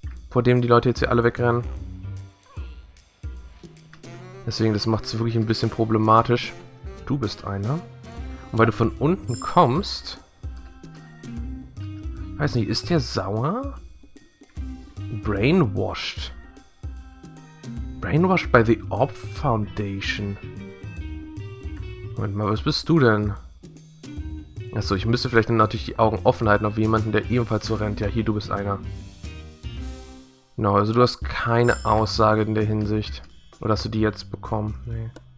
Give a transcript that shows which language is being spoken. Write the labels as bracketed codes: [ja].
[de] Vor dem die Leute jetzt hier alle wegrennen. Deswegen, das macht es wirklich ein bisschen problematisch. Du bist einer. Und weil du von unten kommst... Weiß nicht, ist der sauer? [en] Brainwashed. Brainwashed by the Orb Foundation. [de] Moment mal, was bist du denn? Achso, ich müsste vielleicht dann natürlich die Augen offen halten auf jemanden, der ebenfalls so rennt. Ja, hier, du bist einer. Genau, also du hast keine Aussage in der Hinsicht. Oder hast du die jetzt bekommen? Nee.